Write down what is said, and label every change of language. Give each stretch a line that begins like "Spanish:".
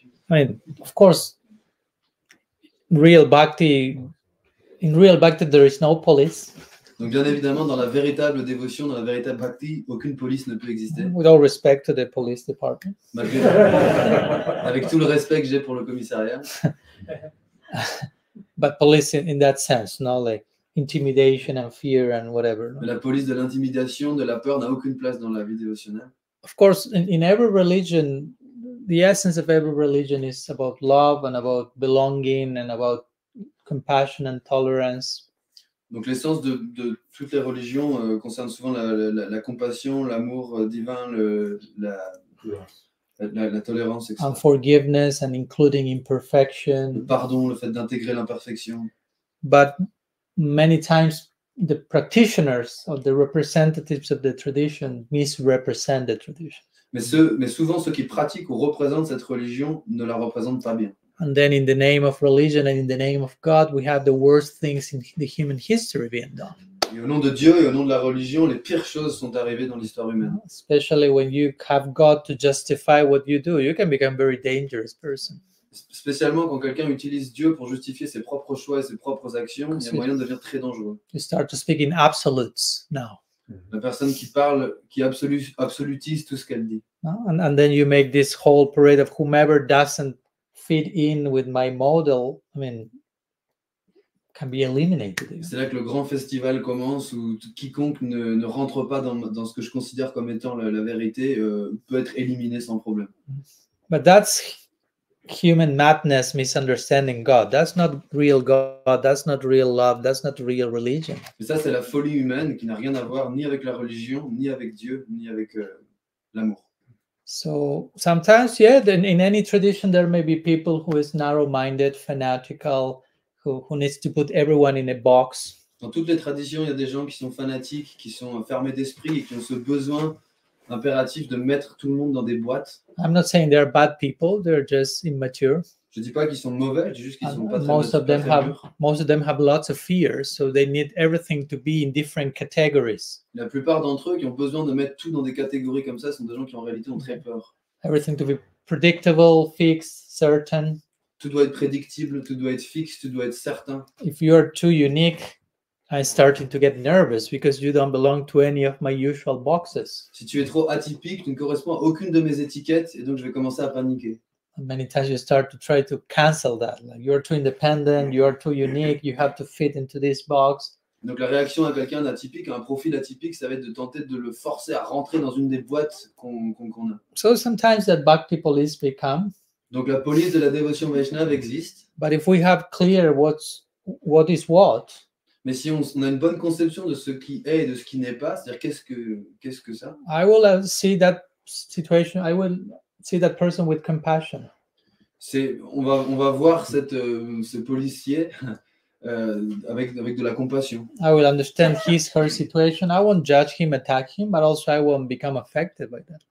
English: I mean, of course, real bhakti, in real bhakti, there is no police.
French: Donc bien évidemment, dans la véritable dévotion, dans la véritable bhakti, aucune police ne peut exister.
English: With all respect to the police department.
French: Malgré, avec tout le respect que j'ai pour le commissariat.
English: But police in that sense, no, like intimidation and fear and whatever.
French: Mais la police de l'intimidation, de la peur, n'a aucune place dans la vie dévotionnelle.
English: Of course, in every religion, the essence of every religion is about love and about belonging and about compassion and tolerance.
French: Donc l'essence de toutes les religions concerne souvent la compassion, l'amour divin, la tolérance, etc.
English: And forgiveness and including imperfection.
French: Le pardon, le fait d'intégrer l'imperfection.
English: But many times the practitioners or the representatives of the tradition misrepresent the tradition.
French: Mais souvent ceux qui pratiquent ou représentent cette religion ne la représentent pas bien.
English: And then in the name of religion and in the name of God, we have the worst things in the human history being done.
French: Et au nom de Dieu et au nom de la religion, les pires choses sont arrivées dans l'histoire humaine.
English: Especially when you have God to justify what you do, you can become a very dangerous person.
French: Spécialement quand quelqu'un utilise Dieu pour justifier ses propres choix et ses propres actions, il y a moyen de devenir très dangereux.
English: You start to speak in absolutes now.
French: La personne qui parle, qui absolutise tout ce qu'elle dit.
English: And then you make this whole parade of whomever doesn't fit in with my model, I mean, can be eliminated.
French: C'est là que le grand festival commence où quiconque ne rentre pas dans ce que je considère comme étant la vérité peut être éliminé sans problème.
English: But that's human madness, misunderstanding God. That's not real God. That's not real love. That's not real religion.
French: Mais ça, c'est la folie humaine qui n'a rien à voir ni avec la religion, ni avec Dieu, ni avec l'amour.
English: So sometimes, yeah, then in any tradition, there may be people who is narrow-minded, fanatical, who needs to put everyone in a box.
French: Dans toutes les traditions, il y a des gens qui sont fanatiques, qui sont fermés d'esprit et qui ont ce besoin impératif de mettre tout le monde dans des boîtes.
English: I'm not saying they're bad people, they're just immature.
French: Je dis pas qu'ils sont mauvais, je dis juste qu'ils sont pas très mûrs.
English: Most of them have lots of fears, so they need everything to be in different categories.
French: La plupart d'entre eux qui ont besoin de mettre tout dans des catégories comme ça sont des gens qui en réalité ont très peur.
English: Everything to be predictable, fixed, certain.
French: Tout doit être prédictible, tout doit être fixe, tout doit être certain.
English: If you are too unique, I'm starting to get nervous because you don't belong to any of my usual boxes.
French: Si tu es trop atypique, tu ne corresponds à aucune de mes étiquettes et donc je vais commencer à paniquer.
English: Many times you start to try to cancel that. Like you're too independent, you're too unique, you have to fit into this box.
French: Donc la réaction à quelqu'un d'atypique, à un profil atypique, ça va être de tenter de le forcer à rentrer dans une des boîtes qu'on a.
English: So sometimes that bhakti police become.
French: Donc la police de la dévotion Vaishnava existe.
English: But if we have clear what is what.
French: Mais si on a une bonne conception de ce qui est et de ce qui n'est pas, c'est-à-dire qu'est-ce que ça?
English: I will see that situation. I will see that person with compassion.
French: On va voir ce policier avec de la compassion.
English: I will understand his/her situation. I won't judge him, attack him, but also I won't become affected by that.